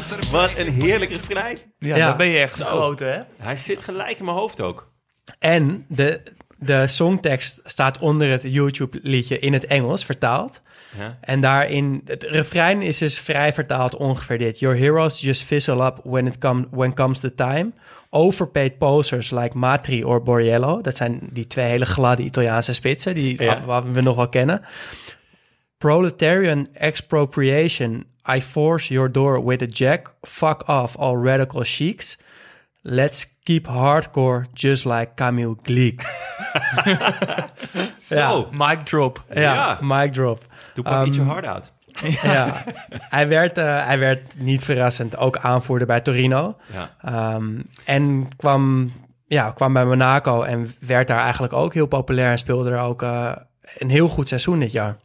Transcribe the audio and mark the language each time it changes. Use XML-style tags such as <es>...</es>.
<nl>Wat een heerlijk refrein. Ja, dan ben je echt grote, hè? Hij zit gelijk in mijn hoofd ook. En de songtekst staat onder het YouTube-liedje in het Engels, vertaald. Ja. En daarin, het refrein is dus vrij vertaald ongeveer dit.</nl> <en>Your heroes just fizzle up when comes the time. Overpaid posers like Matri or Borriello.</en> <nl>Dat zijn die twee hele gladde Italiaanse spitsen, die we nog wel kennen.</nl> <en>Proletarian expropriation. I force your door with a jack. Fuck off all radical chics. Let's keep hardcore just like Camille Glik.</en> <nl>Zo. Ja.</nl> <en>Mic drop. Ja, mic drop.</en> <nl>Doe maar niet je hard uit. Ja, hij werd niet verrassend ook aanvoerder bij Torino. Ja. En kwam bij Monaco en werd daar eigenlijk ook heel populair. En speelde er ook een heel goed seizoen dit jaar.</nl>